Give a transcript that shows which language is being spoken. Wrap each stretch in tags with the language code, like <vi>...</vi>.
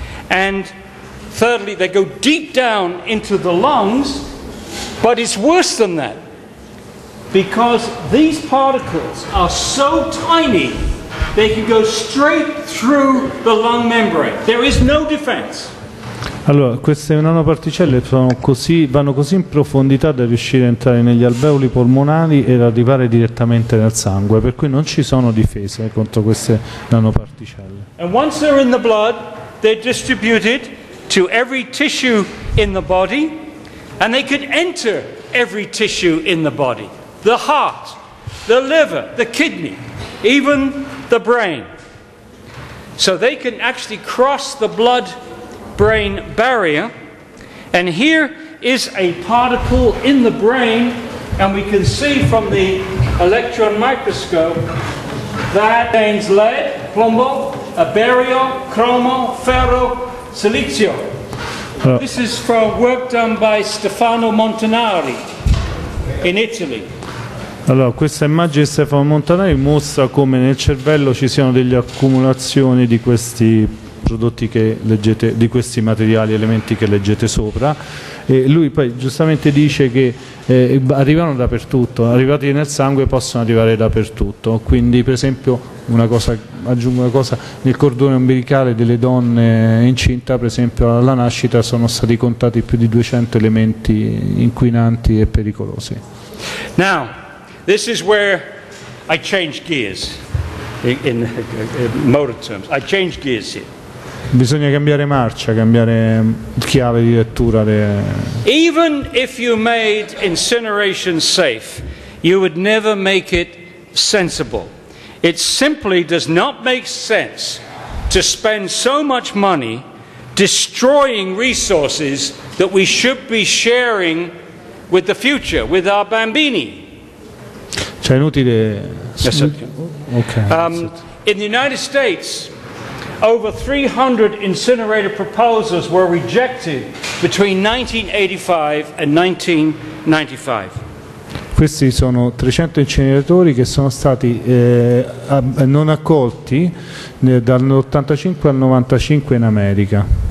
<en>And thirdly, they go deep down into the lungs. But it's worse than that, because these particles are so tiny, they can go straight through the lung membrane. There is no defense.</en> <it>Allora, queste nanoparticelle vanno così in profondità da riuscire a entrare negli alveoli polmonari ed arrivare direttamente nel sangue, per cui non ci sono difese contro queste nanoparticelle.</it> <en>And once they're in the blood, they're distributed to every tissue in the body, and they could enter every tissue in the body. The heart, the liver, the kidney, even the brain. So they can actually cross the blood brain barrier, and here is a particle in the brain, and we can see from the electron microscope that contains lead, plomo, barium, chromo, ferro, silicio. This is from work done by Stefano Montanari in Italy.</en> <it>Allora, questa immagine di Stefano Montanari mostra come nel cervello ci siano delle accumulazioni di questi prodotti che leggete, di questi materiali, elementi che leggete sopra, e lui poi giustamente dice che arrivano dappertutto, arrivati nel sangue possono arrivare dappertutto, quindi per esempio aggiungo una cosa, nel cordone ombelicale delle donne incinta, per esempio alla nascita, sono stati contati più di 200 elementi inquinanti e pericolosi.</it> <en>Now, this is where I change gears, in motor terms. I change gears here.</en> <it>Bisogna cambiare marcia, cambiare chiave di lettura.</it> <en>Even if you made incineration safe, you would never make it sensible. It simply does not make sense to spend so much money destroying resources that we should be sharing with the future, with our bambini.</en> <it>Cioè, inutile.</it> <en>Yes, okay. In the United States, over 300 incinerator proposals were rejected between 1985 and 1995.</en> <it>Questi sono 300 inceneratori che sono stati non accolti dall'85 al 95 in America.</it>